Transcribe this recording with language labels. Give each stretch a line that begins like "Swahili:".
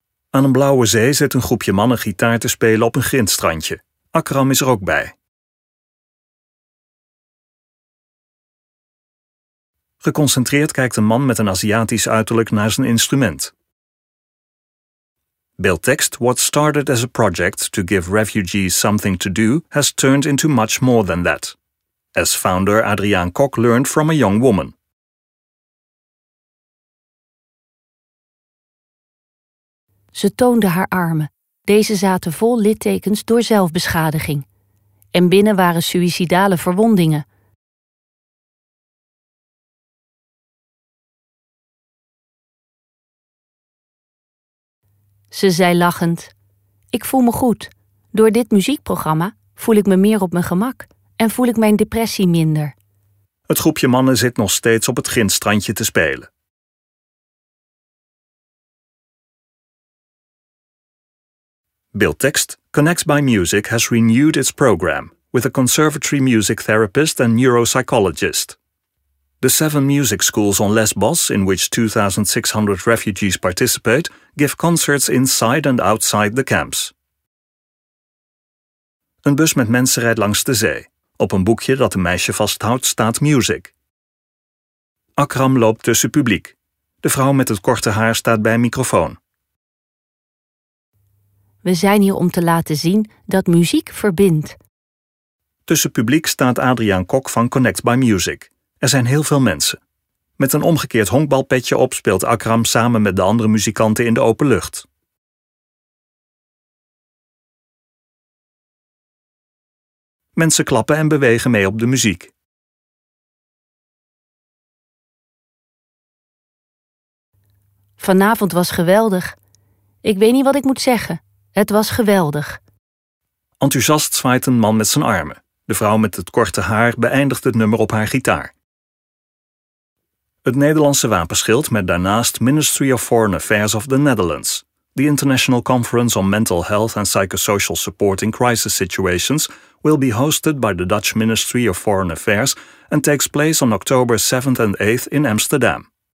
Dutch: Aan een blauwe zee zit een groepje mannen gitaar te spelen op een grindstrandje. Akram is er ook bij. Geconcentreerd kijkt een man met een Aziatisch uiterlijk naar zijn instrument.
English: Beeldtekst: What started as a project to give refugees something to do has turned into much more than that. As founder Adriaan Kok learned from a young woman.
Dutch: Ze toonde haar armen. Deze zaten vol littekens door zelfbeschadiging. En binnen waren suïcidale verwondingen. Ze zei lachend: ik voel me goed. Door dit muziekprogramma voel ik me meer op mijn gemak. En voel ik mijn depressie minder. Het groepje mannen zit nog steeds op het grindstrandje te spelen.
English: Beeldtekst: Connect by Music has renewed its program with a conservatory music therapist and neuropsychologist. The 7 music schools on Lesbos, in which 2,600 refugees participate, give concerts inside and outside the camps.
Dutch: Een bus met mensen rijdt langs de zee. Op een boekje dat een meisje vasthoudt staat music. Akram loopt tussen publiek. De vrouw met het korte haar staat bij een microfoon. We zijn hier om te laten zien dat muziek verbindt. Tussen publiek staat Adriaan Kok van Connect by Music. Er zijn heel veel mensen. Met een omgekeerd honkbalpetje op speelt Akram samen met de andere muzikanten in de open lucht. Mensen klappen en bewegen mee op de muziek. Vanavond was geweldig. Ik weet niet wat ik moet zeggen. Het was geweldig. Enthousiast zwaait een man met zijn armen. De vrouw met het korte haar beëindigt het nummer op haar gitaar. Het Nederlandse wapenschild met daarnaast
English: Ministry of Foreign Affairs of the Netherlands, the International Conference on Mental Health and Psychosocial Support in Crisis Situations, will be hosted by the Dutch Ministry of Foreign Affairs and takes place on October 7th and 8th in Amsterdam.